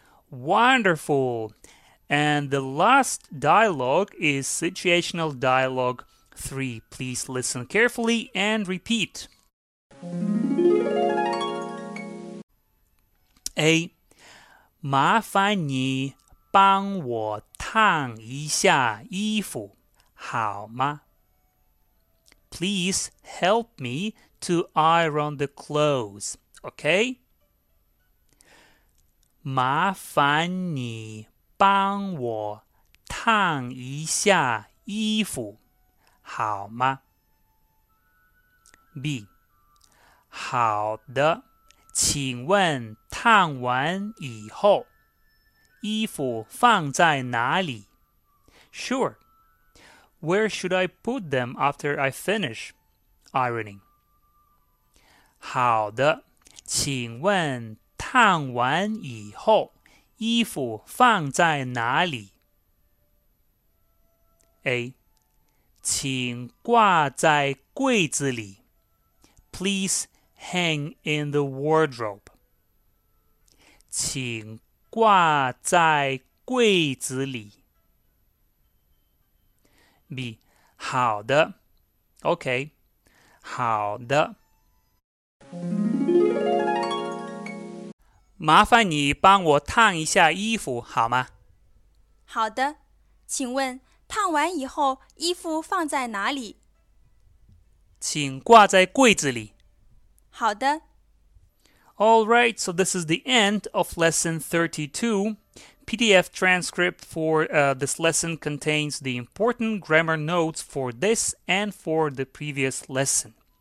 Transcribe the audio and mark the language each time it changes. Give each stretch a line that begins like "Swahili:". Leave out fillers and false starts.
English: Wonderful! And the last dialogue is situational dialogue 3. Please listen carefully and repeat. A.
Chinese: 麻烦你帮我烫一下衣服好吗？
English: Please help me to iron the clothes, okay?
Chinese: 麻烦你帮我烫一下衣服好吗？
English: B.
Chinese: 好的，请问烫完以后衣服放在哪里？
English: Sure. Where should I put them after I finish ironing?
Chinese: 好的，请问烫完以后衣服放在哪里？
English: A.
Chinese: 请挂在柜子里。
English: Please hang in the wardrobe.
Chinese: 请挂在柜子里。
English: B.
Chinese: 好的。
English: OK.
Chinese: 好的。麻烦你帮我烫一下衣服好吗？好的，请问烫完以后衣服放在哪里？请挂在柜子里。好的。
English: Alright, so this is the end of lesson 32. PDF transcript for this lesson contains the important grammar notes for this and for the previous lesson.